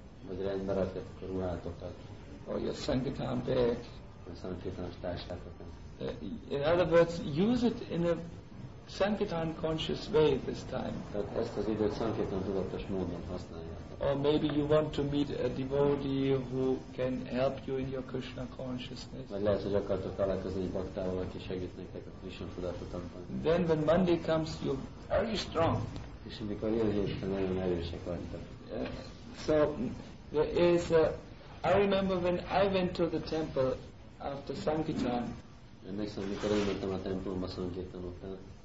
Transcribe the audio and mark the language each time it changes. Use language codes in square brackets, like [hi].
[hu] Vagy rendbe rakjátok a ruhátokat. [en] Or your Sankirtan bag. [hu] Vagy Sankirtanos táskátokat. [en] In other words, use it in a Sankirtan conscious way this time. [hu] Tehát ezt az időt Sankirtan tudatos módon használjátok. [en] Or maybe you want to meet a devotee who can help you in your Krishna consciousness. [hu] Vagy lehet, hogy akartok találkozni egy baktával, aki segít nektek a Krishna tudatotokban. [en] Then when Monday comes, you are you strong. [hu] És amikor jön hétfő, nagyon erősek vagytok. [en] So there is I remember when I went to the temple after Sankirtan. [hu] Emlékszem, amikor én mentem a templomba Sankirtan után.